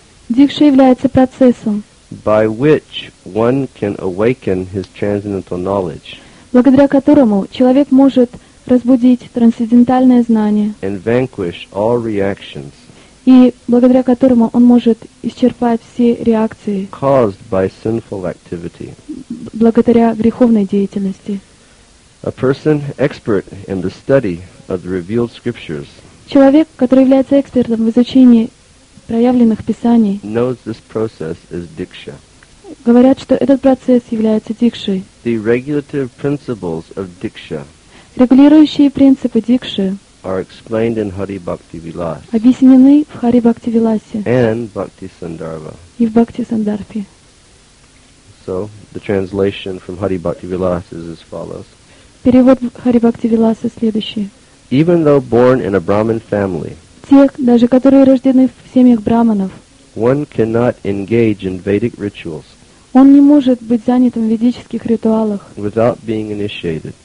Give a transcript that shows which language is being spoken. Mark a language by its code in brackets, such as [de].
[ru] Дикша является процессом. [en] By which one can awaken his transcendental knowledge. [ru] Благодаря которому человек может разбудить трансцендентальное знание. [en] And vanquish all reactions. [ru] И благодаря которому он может исчерпать все реакции. [en] Caused by sinful activity. [ru] Благодаря греховной деятельности. [en] A person expert in the study of the revealed scriptures. [ru] Человек, который является экспертом в изучении проявленных писаний, [en] knows this process as diksha. [ru] Говорят, что этот процесс является дикшей. [en] The regulative principles of diksha. [ru] Регулирующие принципы дикши. [en] Are explained in Hari Bhakti Vilas. [ru] Объяснены в Хари Бхакти Виласе. [en] And Bhakti Sandarbha. [ru] И в Бхакти Сандарбе. [en] So the translation from Hari Bhakti Vilas is as follows. [ru] Перевод Хари Бхакти Виласа следующий. [en] Even though born in a Brahmin family, [ru] тех, даже которые рождены в семьях брахманов, [en] one cannot engage in Vedic rituals, [ru] он не может быть занятым в ведических ритуалах, [en] without being initiated,